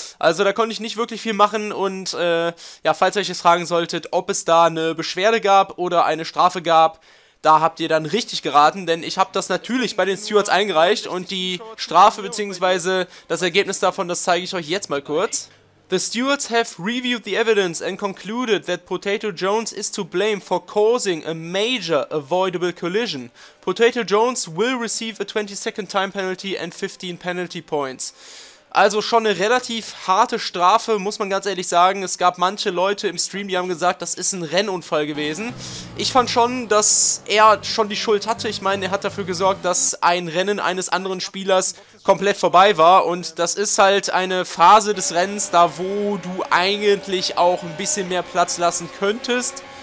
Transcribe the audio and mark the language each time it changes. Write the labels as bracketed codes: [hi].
[de] Also da konnte ich nicht wirklich viel machen und, ja, falls ihr euch jetzt fragen solltet, ob es da eine Beschwerde gab oder eine Strafe gab, da habt ihr dann richtig geraten, denn ich habe das natürlich bei den Stewards eingereicht und die Strafe bzw. das Ergebnis davon, das zeige ich euch jetzt mal kurz. [en] The stewards have reviewed the evidence and concluded that Potato Jones is to blame for causing a major avoidable collision. Potato Jones will receive a 20-second time penalty and 15 penalty points. [de] Also schon eine relativ harte Strafe, muss man ganz ehrlich sagen. Es gab manche Leute im Stream, die haben gesagt, das ist ein Rennunfall gewesen. Ich fand schon, dass er schon die Schuld hatte. Ich meine, er hat dafür gesorgt, dass ein Rennen eines anderen Spielers komplett vorbei war. Und das ist halt eine Phase des Rennens, da wo du eigentlich auch ein bisschen mehr Platz lassen könntest.